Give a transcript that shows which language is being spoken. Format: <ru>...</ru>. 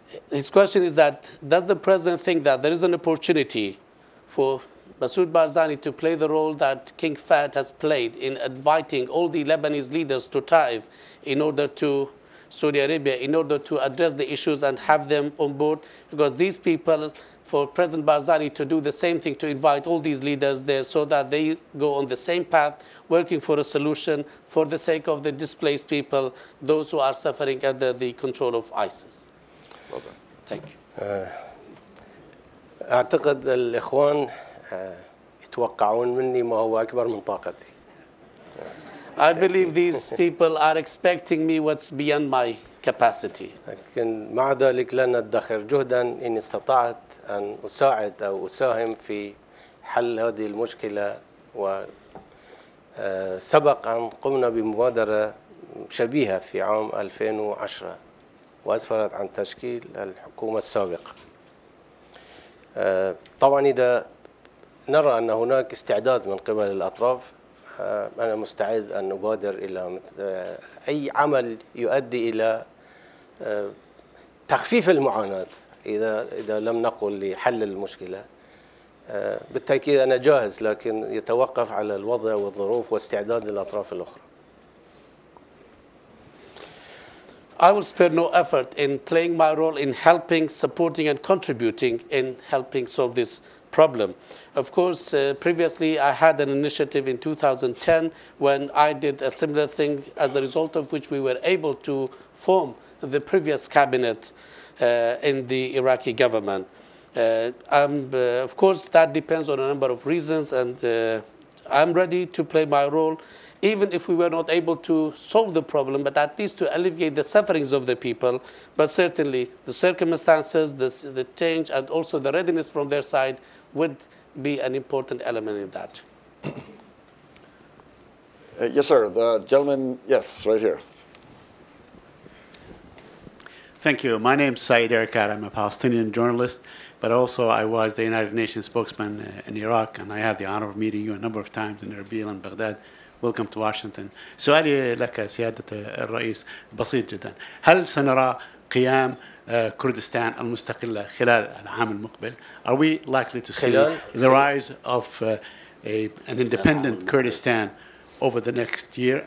<en>His question is that, does the president think that there is an opportunity for Masoud Barzani to play the role that King Fahd has played in inviting all the Lebanese leaders to Taif in order to Saudi Arabia, in order to address the issues and have them on board? Because these people for President Barzani to do the same thing, to invite all these leaders there so that they go on the same path, working for a solution for the sake of the displaced people, those who are suffering under the control of ISIS. Well done. Thank you.</en> <ar>أعتقد الإخوان يتوقعون مني ما هو أكبر من طاقتي.</ar> <en>I believe these people are expecting me what's beyond my capacity.</en> <ar>لكن مع ذلك لن أدخر جهدا إن استطعت أن أساعد أو أساهم في حل هذه المشكلة وسبق أن قمنا بمبادرة شبيهة في عام 2010 وأسفرت عن تشكيل الحكومة السابقة. طبعا إذا نرى أن هناك استعداد من قبل الأطراف أنا مستعد أن أبادر إلى أي عمل يؤدي إلى تخفيف المعاناة إذا لم نقل لحل المشكلة. بالتأكيد أنا جاهز لكن يتوقف على الوضع والظروف واستعداد الأطراف الأخرى.</ar> <en>I will spare no effort in playing my role in helping, supporting, and contributing in helping solve this problem. Of course, previously I had an initiative in 2010 when I did a similar thing, as a result of which we were able to form the previous cabinet in the Iraqi government. Of course, that depends on a number of reasons, and I'm ready to play my role. Even if we were not able to solve the problem, but at least to alleviate the sufferings of the people, but certainly the circumstances, the change, and also the readiness from their side would be an important element in that. Yes, sir. The gentleman, yes, right here. Thank you. My name is Saeed Erkat. I'm a Palestinian journalist, but also I was the United Nations spokesman in Iraq, and I had the honor of meeting you a number of times in Erbil and Baghdad. Welcome to Washington.</en> <ar>سؤالي لك سيادة الرئيس بسيط جدا. هل سنرى قيام كردستان المستقلة خلال العام المقبل?</ar> <en>Are we likely to see the rise of an independent Kurdistan over the next year?</en>